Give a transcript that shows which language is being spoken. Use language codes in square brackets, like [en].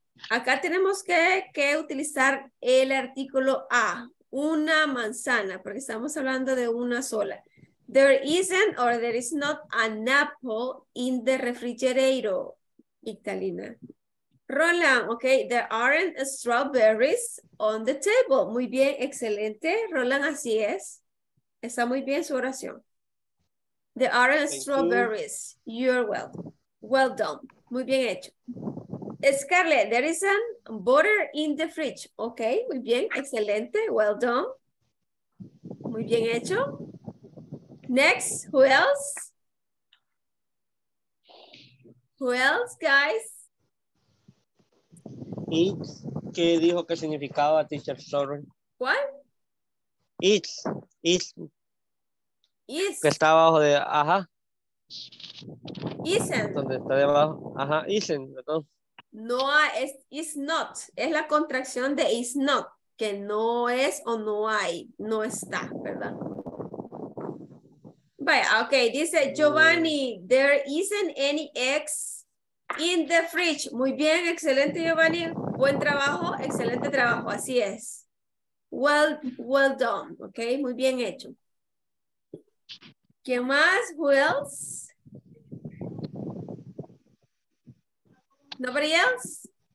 [es] Acá tenemos que utilizar el artículo A, una manzana, porque estamos hablando de una sola. [en] There isn't or there is not an apple in the refrigerator, Italina. Roland, okay, there aren't strawberries on the table. [es] Muy bien, excelente. Roland, así es. Está muy bien su oración. [en] There aren't strawberries. You're welcome. Well done. [es] Muy bien hecho. [en] Scarlett, there isn't butter in the fridge. Okay, [es] muy bien, excelente. [en] Well done. [es] Muy bien. Muy bien hecho. [en] Next, who else? Who else, guys? [es] It, ¿qué dijo que significaba, teacher? [en] Sorry. What? [es] It's. Que está abajo de, ajá. [en] Isn't. [es] Donde está debajo, ajá, isn't. [en] No, it's not. [es] Es la contracción de it's not. Que no es o no hay, no está, ¿verdad? [en] Vaya, ok, dice Giovanni, there isn't any eggs in the fridge. [es] Muy bien, excelente Giovanni, buen trabajo, excelente trabajo, así es. [en] Well, well done, ok, [es] muy bien hecho. ¿Qué más? [en] Who else? Nobody else?